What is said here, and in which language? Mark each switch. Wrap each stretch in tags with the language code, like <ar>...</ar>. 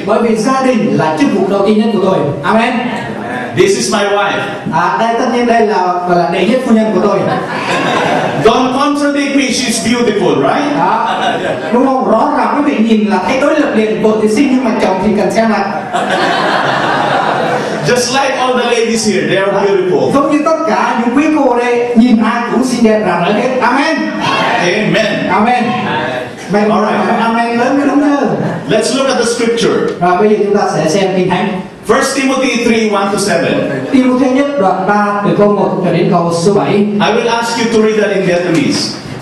<vi>Bởi vì gia đình là chức vụ đầu tiên nhất của tôi.</vi> <en>Amen. This is my wife.</en> <vi>Đây tất nhiên đây là đệ nhất phu nhân của tôi.</vi> <en>Don't contradict me. She's beautiful, right?</en> <vi>Đúng không? Rõ ràng quý vị nhìn là thấy đối lập liền. Vợ thì xinh nhưng mà chồng thì cần xem lại.</vi> <en>Just like all the ladies here, they are beautiful.</en> <vi>Giống như tất cả những quý cô đây nhìn ai cũng xinh đẹp rạng rỡ hết.</vi> <en>Amen. Amen. Amen. Amen. All right. Amen.</en> <vi>Lớn như đúng không?</vi> <en>Let's look at the scripture.</en> <vi>Bây giờ chúng ta sẽ xem kinh thánh.</vi> <en>1 Timothy 3, 1-7.</en> <vi>Timothy nhất đoạn 3 từ câu 1 cho đến câu số 7.</vi> <en>I will ask you to read that in Vietnamese.</en>